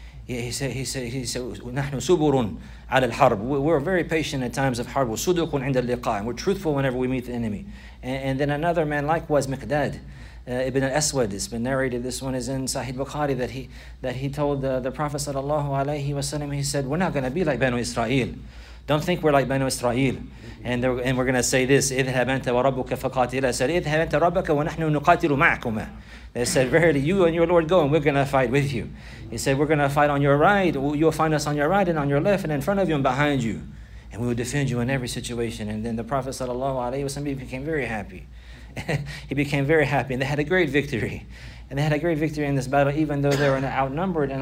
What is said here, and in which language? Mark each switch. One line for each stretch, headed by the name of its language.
English: Yeah, he said,
Arabic: نَحْنُ سُبُرٌ عَلَى الْحَرْبِ.
English: We're very patient at times of harb.
Arabic: وَصُدُقٌ عِنْدَ الْلِقَاءِ.
English: We're truthful whenever we meet the enemy. And then another man, likewise, Miqdad, Ibn al-Aswad, it's been narrated, this one is in Sahih Bukhari, that he told the Prophet sallallahu alayhi wa sallam, he said, we're not going to be like Banu Israel. Don't think we're like Banu Israel. And we're going to say this,
Arabic: اذهب أنت وربك فقاتلا. Said, اذهب أنت ربك ونحن نقاتل معكما.
English: They said, verily, you and your Lord go, and we're going to fight with you. He said, we're going to fight on your right. You'll find us on your right and on your left and in front of you and behind you. And we will defend you in every situation. And then the Prophet became very happy. He became very happy. And they had a great victory. And they had a great victory in this battle, even though they were outnumbered.